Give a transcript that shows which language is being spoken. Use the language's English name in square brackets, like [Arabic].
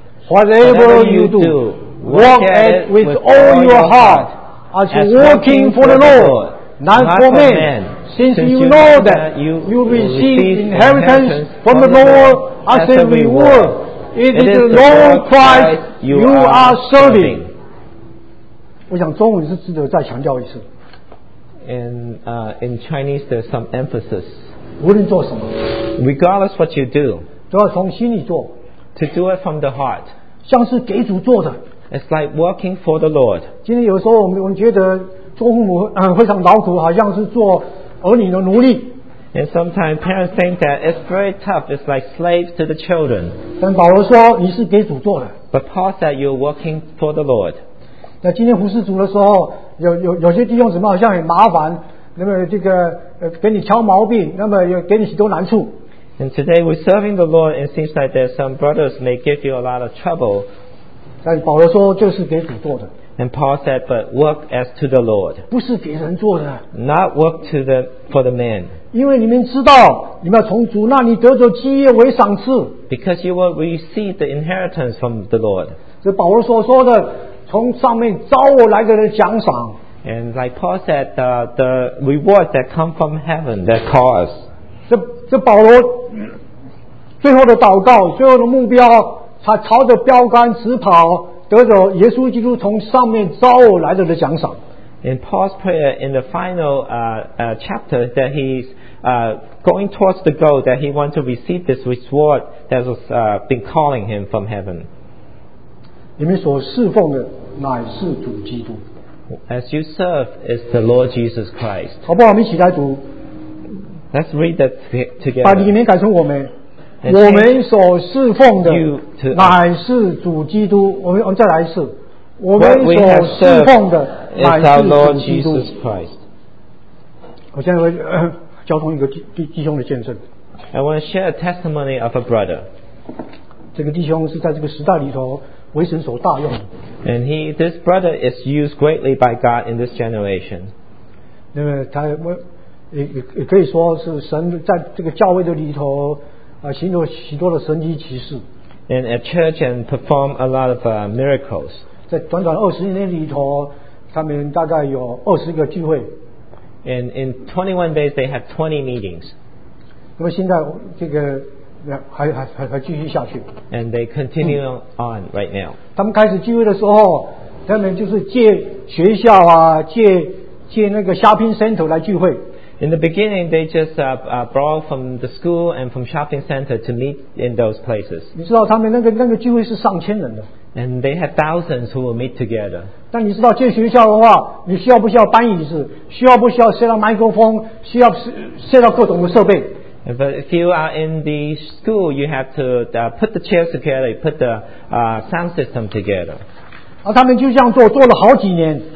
[English] Whatever you do, work at it with all your heart, as you're working for the Lord, not for men, since you know that you receive inheritance from the Lord as a reward. It is the Lord Christ you are serving. [Chinese] 我想中文是值得再强调一次。 [English] In Chinese, there's some emphasis. [Chinese] 无论做什么。 [English] Regardless what you do. [Chinese] 都要从心里做。 [English] To do it from the heart. [Chinese] 像是给主做的。 [English] It's like working for the Lord. [Chinese] 今天有时候我们觉得做父母非常劳苦，好像是做儿女的奴隶。 [English] And sometimes parents think that it's very tough. It's like slaves to the children. [Chinese] 但保罗说你是给主做的。 [English] But Paul said you're working for the Lord. [Chinese] 那今天服侍主的时候，有些弟兄姊妹好像很麻烦，那么这个给你挑毛病，那么又给你许多难处。 [English] And today we're serving the Lord, and it seems like there's some brothers may give you a lot of trouble. [Chinese] 但保罗说就是给主做的。 [English] And Paul said, but work as to the Lord. [Chinese] 不是给人做的。 [English] Not work for the man. [Chinese] 因为你们知道，你们要从主那里得着基业为赏赐。 [English] Because you will receive the inheritance from the Lord. [Chinese] 这保罗所说的。从上面招我来的人奖赏 [English] and like Paul said the rewards that come from heaven that call us [Chinese] 这保罗最后的祷告最后的目标他朝着标杆直跑得着耶稣基督从上面招我来的人奖赏 [English] in Paul's prayer in the final chapter that he's going towards the goal that he wants to receive this reward that has been calling him from heaven [Chinese] 你们所侍奉的乃是主基督。 [English] As you serve is the Lord Jesus Christ. [Chinese] 好不好？我们一起来读。 [English] Let's read that together. [Chinese] 把你们改成我们。我们所侍奉的乃是主基督。我们再来一次。我们所侍奉的乃是主基督。我现在会交通一个弟兄的见证。 [English] I want to share a testimony of a brother. [Chinese] 这个弟兄是在这个时代里头。为神所大用 [English] and this brother is used greatly by God in this generation [Chinese] 那么他 也可以说是神在这个教会的里头行有许多的神迹奇事 [English] and at church and perform a lot of miracles [Chinese] 在短短二十年里头他们大概有二十个聚会 [English] and in 21 days they had 20 meetings [Chinese] 那么现在这个还继续下去 [English] and they continue on right now [Chinese] 他们开始聚会的时候他们就是借学校啊借那个 shopping center 来聚会 [English] in the beginning they just borrowed from the school and from shopping center to meet in those places [Chinese] 你知道他们那个聚会是上千人的 [English] and they had thousands who will meet together [Chinese] 但你知道借学校的话你需要不需要搬椅子需要不需要 [English] set up microphone [Chinese] 需要 [English] set up [Chinese] 各种的设备 [English] But if you are in the school, you have to put the chairs together, put the sound system together. [Chinese] 啊，他们就这样做，做了好几年。